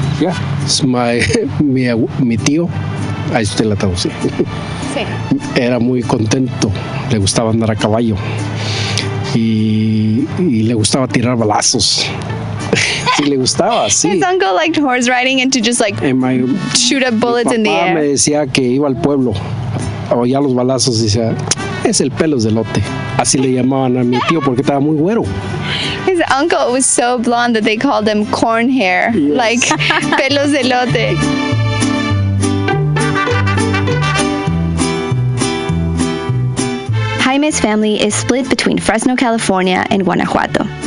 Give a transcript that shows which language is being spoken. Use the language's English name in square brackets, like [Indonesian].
[English] Yeah. It's my tío. [Spanish] Ahí usted la traducía. Sí. Era muy contento. Le gustaba andar a caballo. Y le gustaba tirar balazos. Sí, le gustaba, sí. [English] His uncle liked horse riding and to just like shoot up bullets in the air. [Spanish] Mi papá me decía que iba al pueblo, oía los balazos y decía, es el pelo de elote. Así le llamaban a mi tío porque estaba muy güero. [English] His uncle was so blonde that they called him corn hair, yes. Like [Spanish] pelos de elote. [English] Jaime's family is split between Fresno, California and Guanajuato.